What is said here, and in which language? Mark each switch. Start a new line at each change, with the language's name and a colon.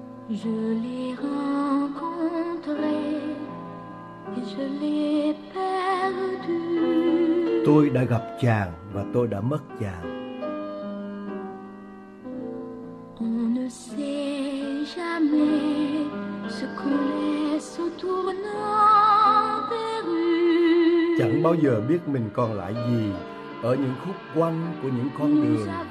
French: Je l'ai rencontré et je l'ai perdu.
Vietnamese: Tôi đã gặp chàng và tôi đã mất chàng.
French: On ne sait jamais ce qu'on laisse au tournant des rues.
Vietnamese: Chẳng bao giờ biết mình còn lại gì ở những khúc quanh của những con đường.